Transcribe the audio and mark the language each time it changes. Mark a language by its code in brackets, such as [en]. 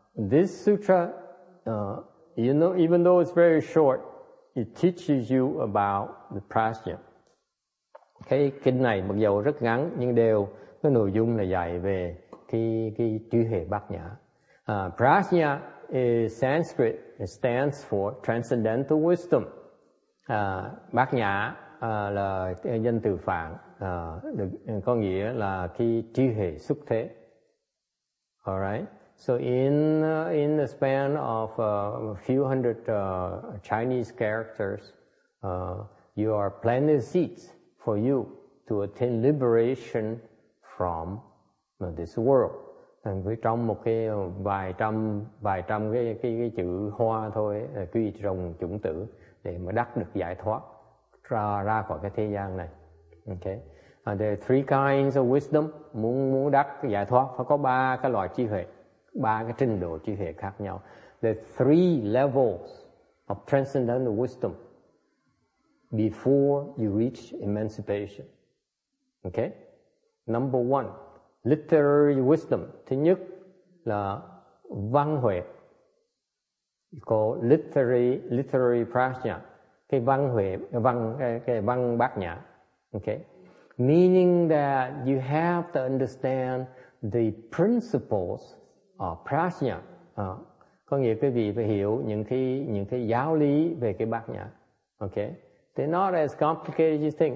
[en] This sutra, you know, even though it's very short, it teaches you about the prajna. [vi] Cái kinh này mặc dù rất ngắn nhưng đều cái nội dung là dạy về cái trí huệ bát nhã. [en] Prajna is Sanskrit, it stands for transcendental wisdom. [vi] Bát nhã là danh từ Phạn, có nghĩa là cái trí huệ xuất thế. [en] All right. So in the span of a few hundred Chinese characters, you are planting seeds for you to attain liberation from this world. [vi] Thành với trong một cái vài trăm cái chữ hoa thôi, quy trồng chủng tử để mà đắc được giải thoát ra khỏi cái thế gian này. [en] Okay. And there are three kinds of wisdom. [vi] Muốn đắc giải thoát phải có ba cái loại trí huệ, ba cái trình độ trí huệ khác nhau. [en] There are three levels of transcendental wisdom before you reach emancipation. Okay. Number one, literary wisdom. [vi] Thứ nhất là văn huệ, có [en] literary prajna, [vi] cái văn huệ, văn bát nhã. [en] Okay, meaning that you have to understand the principles of prajna. [vi] Có nghĩa quý vị phải hiểu những cái giáo lý về cái bát nhã. [en] Okay, they're not as complicated as you think.